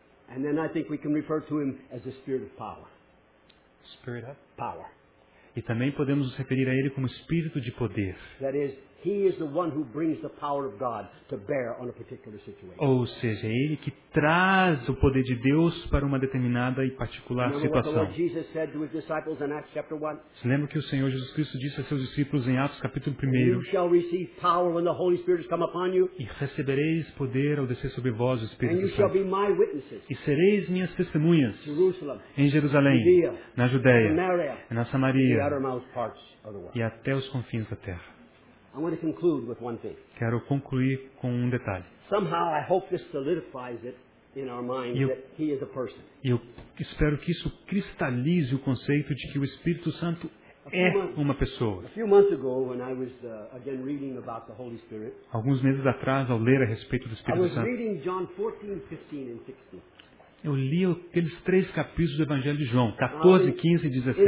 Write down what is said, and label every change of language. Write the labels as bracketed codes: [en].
[en] And then I think we can refer to him as the Spirit of Power. Spirit of Power. [pt] E também podemos nos referir a ele como Espírito de Poder. [en] That is, he is the one who brings the power of God to bear on a particular situation. [pt] Ou seja, ele que traz o poder de Deus para uma determinada e particular situação. [en] What Jesus said to his disciples in Acts chapter 1? [pt] Se lembra que o Senhor Jesus Cristo disse a seus discípulos em Atos capítulo 1? [en] You shall receive power when the Holy Spirit has come upon you. [pt] E recebereis poder ao descer sobre vós o Espírito Santo. [en] And you shall be my witnesses. [pt] E sereis minhas testemunhas. [en] Jerusalem, [pt] em Jerusalém, [en] Judea, [pt] na Judéia, [en] Samaria, [pt] e na Samaria, [en] the uttermost parts of the world. [pt] E até os confins da terra. [en] I want to conclude with one thing. [pt] Quero concluir com um detalhe. [en] Somehow I hope this solidifies it in our mind that he is a person. [pt] Eu espero que isso cristalize o conceito de que o Espírito Santo é uma pessoa. [en] A few months ago when I was again reading about the Holy Spirit. [pt] Alguns meses atrás ao ler a respeito do Espírito Santo. [en] I was reading John 14, 15 and 16. [pt] Eu li aqueles três capítulos do Evangelho de João, 14, 15 e 16.